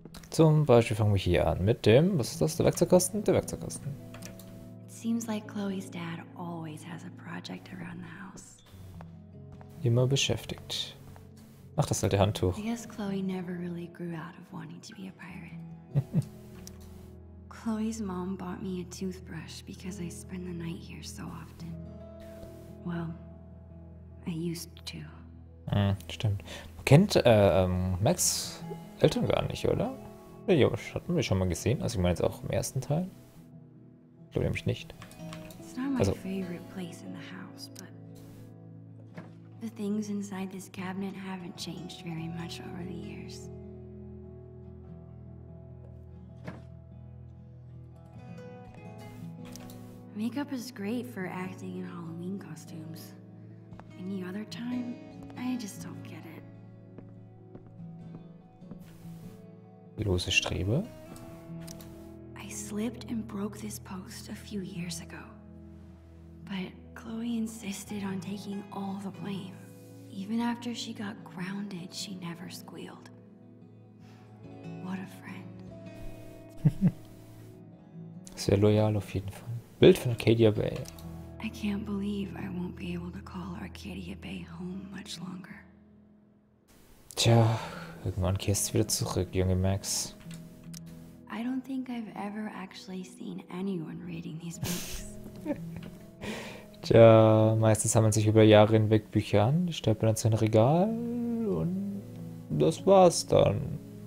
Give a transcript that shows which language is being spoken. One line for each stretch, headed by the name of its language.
German: Zum Beispiel fangen wir hier an mit dem, was ist das, der Werkzeugkasten? Der Werkzeugkasten.
English: Seems like Chloe's dad always has a project around the house.
German: Immer beschäftigt. Ach, das alte Handtuch.
English: I guess Chloe never really grew out of wanting to be a pirate. Chloe's mom bought me a toothbrush because I spend the night here so often. Well, I used to.
German: Stimmt. Kennt Max Eltern gar nicht, oder? Ja, hatten wir schon mal gesehen. Also ich meine jetzt auch im ersten Teil. Ich glaube nämlich nicht.
English: It's not my favorite place in the house, but the things inside this cabinet haven't changed very much over the years. Makeup is great for acting in Halloween costumes. Any other time, I just don't get it.
German: Lose Strebe.
English: I slipped and broke this post a few years ago. But Chloe insisted on taking all the blame. Even after she got grounded, she never squealed. What a friend.
German: Sehr loyal auf jeden Fall. Bild von Arcadia Bay.
English: I can't believe I won't be able to call Arcadia Bay home much longer.
German: Tja, irgendwann kehrst du wieder zurück, junge Max.
English: I don't think I've ever actually seen anyone reading these books.
German: Tja, meistens sammeln sich über Jahre hinweg Bücher an, die stellt man dann sein Regal und das war's dann.